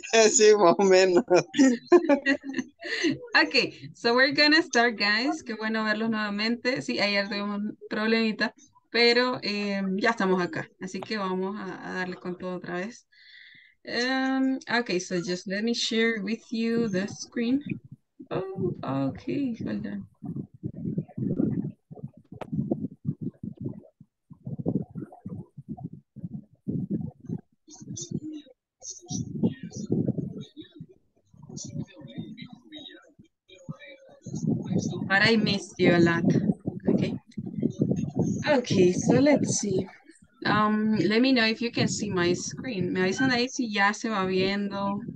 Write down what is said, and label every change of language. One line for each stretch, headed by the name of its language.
Spanish: Sí, más o menos.
English: Okay, so we're gonna start, guys.
Spanish: Qué bueno verlos nuevamente. Sí, ayer tuvimos un problemita, pero ya estamos acá. Así que vamos a darle con todo otra vez.
English: Okay, so just let me share with you the screen. Oh, okay, hold on. But I missed you a lot. Okay, so let's see. Let me know if you can see my screen.
Spanish: Me avisan ahí si ya se va viendo.